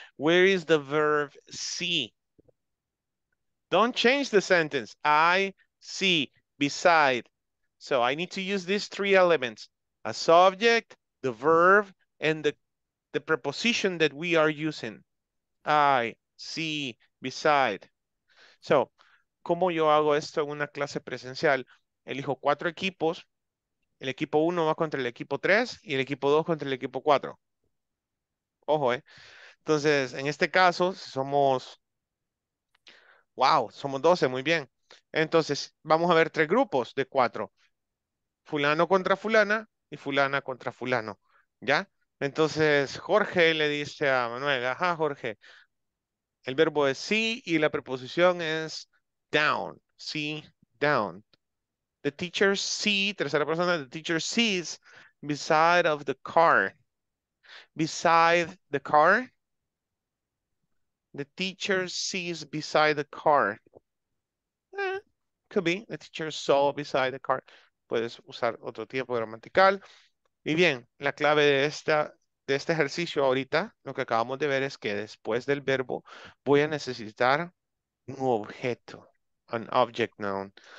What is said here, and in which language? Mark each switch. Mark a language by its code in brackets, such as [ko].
[en] Where is the verb see? Don't change the sentence. I see beside. So I need to use these three elements, a subject, the verb, and the preposition that we are using. I, see, beside. [es] So, ¿cómo yo hago esto en una clase presencial? Elijo 4 equipos. El equipo 1 va contra el equipo 3 y el equipo 2 contra el equipo 4. Ojo, ¿eh? Entonces, en este caso, somos, wow, somos 12, muy bien. Entonces, vamos a ver 3 grupos de 4. fulano contra fulana y fulana contra fulano, ¿ya? Entonces, Jorge le dice a Manuel, ajá, Jorge, el verbo es sí y la preposición es down, [en] see down. The teacher sees, [es] tercera persona, [en] the teacher sees beside of the car. Beside the car. The teacher sees beside the car. Could be, the teacher saw beside the car. [es] Puedes usar otro tiempo gramatical. Y bien, la clave de esta, de este ejercicio ahorita, lo que acabamos de ver es que después del verbo voy a necesitar un objeto, [en] an object noun.